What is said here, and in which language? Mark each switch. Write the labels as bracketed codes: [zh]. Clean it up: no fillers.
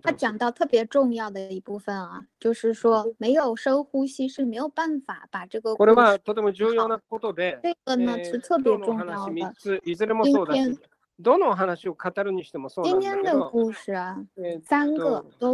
[zh] 他讲到特别重要的一部分啊，就是说没有深呼吸是没有办法把这个。 [ja] これはとても重要なことで。 [zh] 这个呢是特别重要的。 [ja] 今天いずれもそうだし、どの話を語るにしてもそうなんだけど。 [zh] 今天的故事啊，三个都是。